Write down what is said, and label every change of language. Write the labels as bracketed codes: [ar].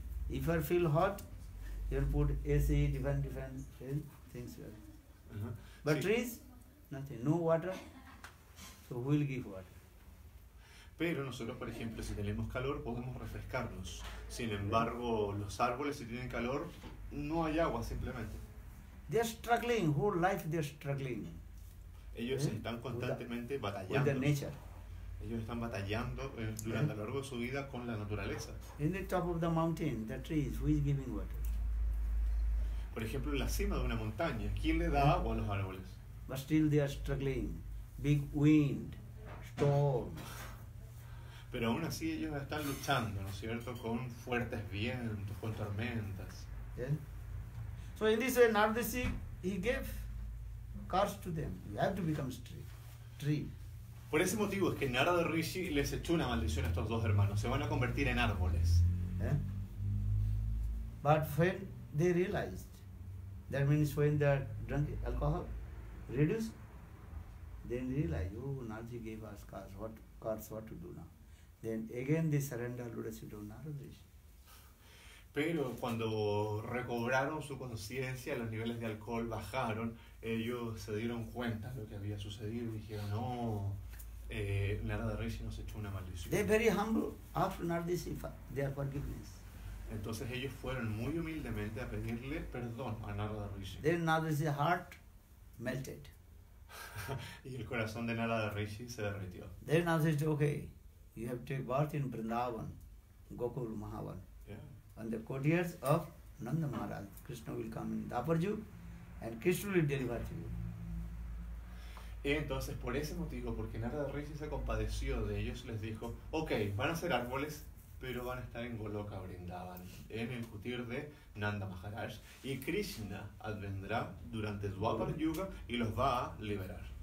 [en] If you feel hot, you'll put AC, different things. But trees, nothing, no water, so we'll give water. [es] Pero nosotros, por ejemplo, si tenemos calor, podemos refrescarnos. Sin embargo, los árboles, si tienen calor, no hay agua simplemente. [en] They're struggling, whole life they're struggling. [es] Ellos están constantemente batallando. [en] With the nature. [es] Ellos están batallando durante a lo largo de su vida con la naturaleza. [en] In the top of the mountain, the trees, who is giving water? [es] Por ejemplo, en la cima de una montaña, ¿quién le da agua a los árboles? [en] But still they are struggling. Big wind, storm. [es] Pero aún así ellos están luchando, ¿no es cierto?, con fuertes vientos, con tormentas. [en] So in this way, Narada he gave curse to them. You have to become tree. [es] Por ese motivo es que Narada Rishi les echó una maldición a estos dos hermanos. Se van a convertir en árboles. [en] But when they realized, that means when they drunk alcohol reduced, then realized, oh, Narada gave us curse. What curse? What to do now? Then again they surrender leadership to Narada Rishi. [es] Pero cuando recobraron su conciencia, los niveles de alcohol bajaron, ellos se dieron cuenta de lo que había sucedido y dijeron, no, Narada Rishi nos echó una maldición. [en] They're very humble after Narada Rishi, their forgiveness. [es] Entonces ellos fueron muy humildemente a pedirle perdón a Narada Rishi. [en] Then Narada Rishi's heart melted. [es] Y el corazón de Narada Rishi se derritió. [en] Then Narada Rishi said, okay, you have to take birth in Vrindavan, Gokul Mahavan. And the courtiers of Nanda Maharaj, Krishna will come in Daparju and Krishna will deliver to you. [es] Y entonces, por ese motivo, porque Narada Rishi se compadeció de ellos, les dijo, ok, van a ser árboles, pero van a estar en Goloka Vrindavan, en el kutir de Nanda Maharaj, y Krishna advendrá durante Dwapar Yuga y los va a liberar.